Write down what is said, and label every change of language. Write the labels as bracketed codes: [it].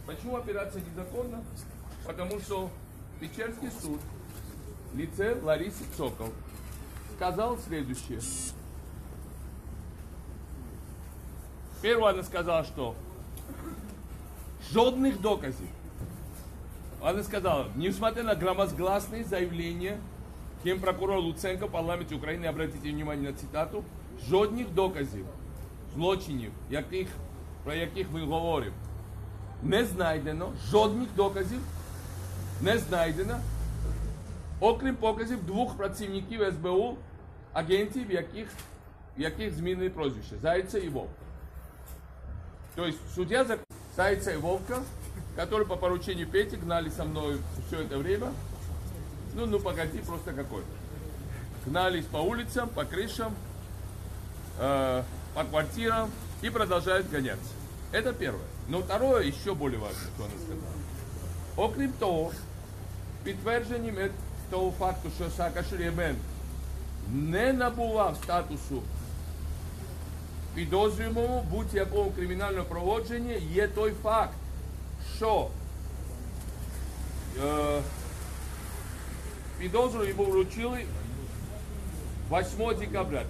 [ru] Почему операция незаконна? Потому что Печерский суд в лице Ларисы Цокол сказал следующее. Первое, она сказала, что [uk] жодных доказов. [ru] Она сказала, несмотря на громогласные заявления генпрокурор Луценко в парламенте Украины, обратите внимание на цитату, [uk] жодних доказів, злочинів, яких, про яких ми говоримо, не знайдено, жодних доказів не знайдено, окрім показів двох працівників СБУ, агентів, яких змінили прозвище, Зайця і Вовка. Тобто суддя за Зайця і Вовка, які по порученню Пети гнали [ru] со мною все это время, Ну, погоди, просто какой. Гнались по улицам, по крышам, по квартирам и продолжают гоняться. Это первое. Но второе, еще более важное, что она сказала. [uk] Окрім того, підтвердженням того факту, что Саакашвили МН не набував статусу підозрюваного будь-якого кримінального проводження, є той факт, що підозру йому вручили 8 декабря.